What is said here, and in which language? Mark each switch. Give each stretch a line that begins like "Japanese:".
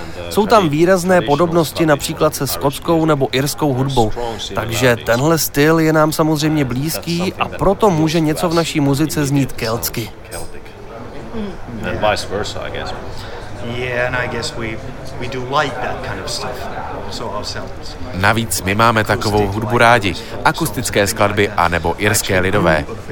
Czech: Jsou tam výrazné podobnosti například se skotskou nebo irskou hudbou, takže tenhle styl je nám samozřejmě blízký a proto může něco v naší muzice znít keltsky.
English: And vice versa, I guess. Yeah, and I guess we do like that kind of stuff. So ourselves.
Czech: Navíc my máme takovou hudbu rádi, akustické skladby a nebo irské lidové.